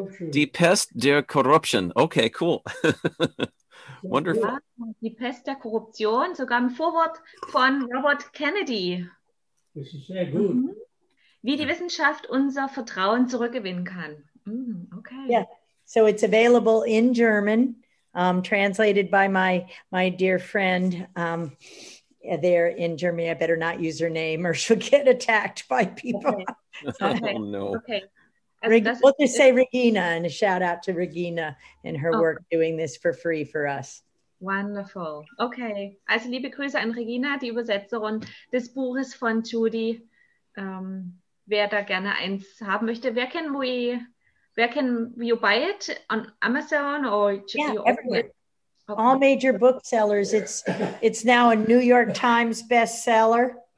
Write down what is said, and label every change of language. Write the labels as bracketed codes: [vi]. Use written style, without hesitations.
[de] Die Pest der Korruption. [en] Okay, cool. Wonderful. Ja, [de] die Pest der Korruption, sogar ein Vorwort von Robert Kennedy. Das ist sehr gut. Wie die Wissenschaft unser Vertrauen zurückgewinnen kann. [en] Mm, okay. Yeah, so it's available in German, translated by my dear friend there in Germany. I better not use her name or she'll get attacked by people. Okay. We'll just say Regina, and a shout out to Regina and her work doing this for free for us. Wonderful. Okay. [de] Also liebe Grüße an Regina, die Übersetzerin des Buches von Judy. Wer da gerne eins haben möchte, [en] where can we buy it? On Amazon or everywhere. Okay. All major booksellers. It's now a New York Times bestseller.